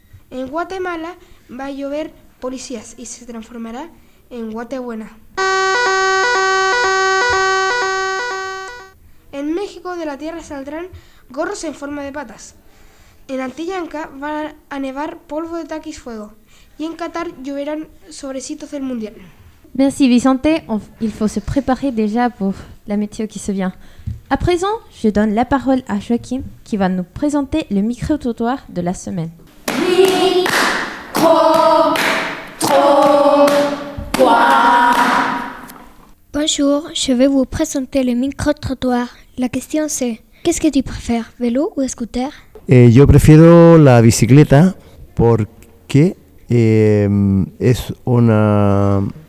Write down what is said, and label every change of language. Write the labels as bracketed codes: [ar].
[es] En Guatemala va a llover policías y se transformará en Guatebuena. En México de la tierra saldrán gorros en forma de patas. En Antillanca va a nevar polvo de taquis fuego. Y en Qatar lloverán sobrecitos del mundial. [fr] Merci Vicente, il faut se préparer déjà pour la météo qui se vient. À présent, je donne la parole à Joaquim qui va nous présenter le micro-trottoir de la semaine. Micro-trottoir. Bonjour, je vais vous présenter le micro-trottoir. La question c'est, qu'est-ce que tu préfères, vélo ou scooter? [es] Yo prefiero la bicicleta porque... es una